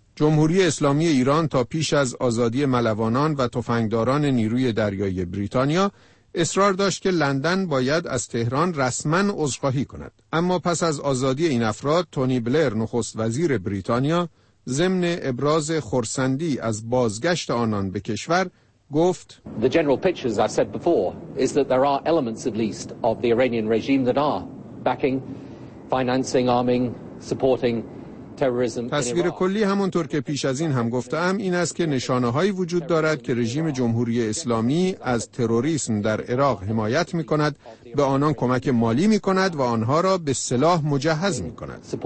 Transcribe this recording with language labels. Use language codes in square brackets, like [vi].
[fa] جمهوری اسلامی ایران تا پیش از آزادی ملوانان و تفنگداران نیروی دریایی بریتانیا اصرار داشت که لندن باید از تهران رسماً عذرخواهی کند. اما پس از آزادی این افراد، تونی بلر نخست وزیر بریتانیا ضمن ابراز خرسندی از بازگشت آنان به کشور گفت: [en] The general picture, as I've said before, is that there are elements at least of the Iranian regime that are backing, financing, arming, supporting [fa] تصویر کلی همونطور که پیش از این هم گفتم این است که نشانه هایی وجود دارد که رژیم جمهوری اسلامی از تروریسم در عراق حمایت می کند، به آنان کمک مالی می کند و آنها را به سلاح مجهز می کند.